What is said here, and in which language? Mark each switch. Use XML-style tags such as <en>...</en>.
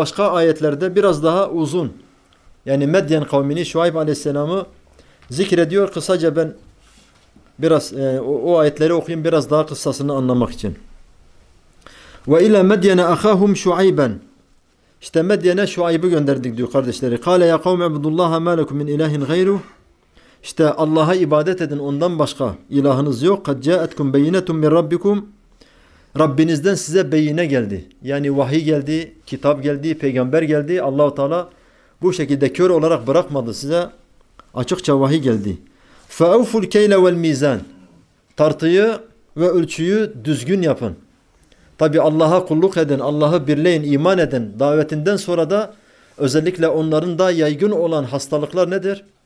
<tr>Başka ayetlerde biraz daha uzun. Yani Medyen kavmini, Şuayb Aleyhisselam'ı zikrediyor. Kısaca ben biraz o ayetleri okuyayım biraz daha kıssasını anlamak için.</tr> <ar>وَاِلَى مَدْيَنَ اَخَاهُمْ شُعَيْبًا</ar> <tr>İşte Medyen'e Şuayb'ı gönderdik diyor kardeşleri.</tr> <ar>قَالَ يَا قَوْمَ عَبُدُ اللّٰهَ مَا لَكُمْ مِنْ اِلَٰهٍ غَيْرُهُ</ar> <tr>İşte Allah'a ibadet edin, ondan başka ilahınız yok.</tr> <ar>قَدْ جَاءَتْكُمْ بَيِّنَةٌ مِنْ رَبِّكُمْ</ar> <tr>Rabbinizden size beyine geldi. Yani vahiy geldi, kitap geldi, peygamber geldi. Allah-u Teala bu şekilde kör olarak bırakmadı size. Açıkça vahiy geldi.</tr> <ar>فَاَوْفُ الْكَيْلَ وَالْمِيزَانِ</ar> <tr>Tartıyı ve ölçüyü düzgün yapın. Tabi Allah'a kulluk edin, Allah'ı birleyin, iman edin. Davetinden sonra da özellikle onların da yaygın olan hastalıklar nedir?</tr>